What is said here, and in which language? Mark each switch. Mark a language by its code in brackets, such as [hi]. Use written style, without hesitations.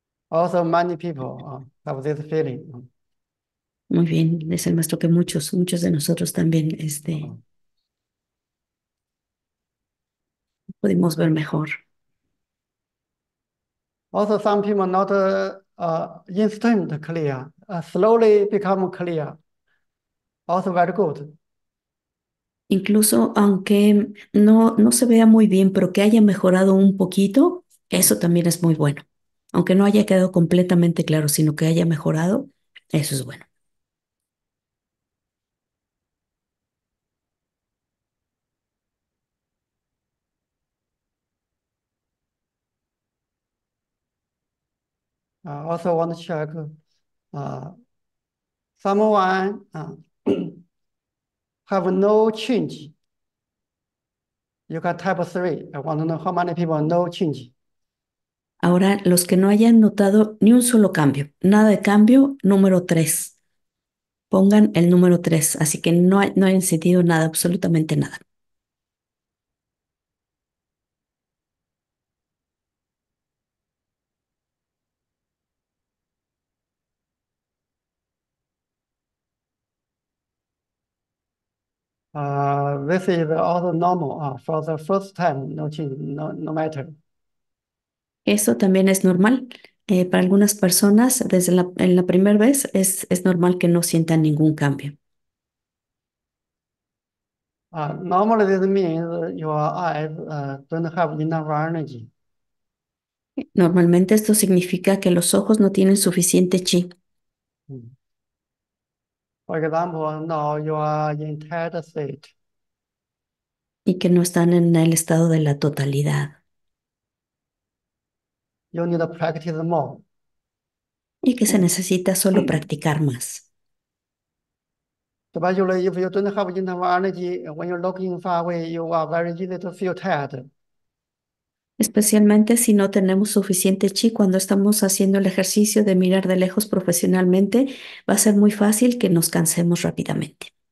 [en] Also, many people have this feeling. [es] Muy bien, es el maestro que muchos, muchos de nosotros también pudimos ver mejor. [en] Also, some people not instant clear, slowly become clear. Also, very good. [es] Incluso aunque no se vea muy bien, pero que haya mejorado un poquito, eso también es muy bueno. Aunque no haya quedado completamente claro, sino que haya mejorado, eso es bueno. [en] I also want to check someone have no change. You can type three. I want to know how many people have no change. [es] Ahora, los que no hayan notado ni un solo cambio, nada de cambio, número 3. Pongan el número 3, así que no hayan sentido nada, absolutamente nada. [en] This is also normal for the first time, no change, no matter. [es] Eso también es normal. Para algunas personas, desde en la primera vez, es normal que no sientan ningún cambio. [en] Normally, this means your eyes don't have enough energy. [es] Normalmente esto significa que los ojos no tienen suficiente chi. [en] For example, now you are in theta state. [es] Y que no están en el estado de la totalidad. [en] You need to practice more. [es] Y que se necesita solo practicar más. [en] Especially if you don't have enough energy, when you're looking far away, you are very easy to feel tired. [es] Especialmente si no tenemos suficiente chi cuando estamos haciendo el ejercicio de mirar de lejos profesionalmente, va a ser muy fácil que nos cansemos rápidamente.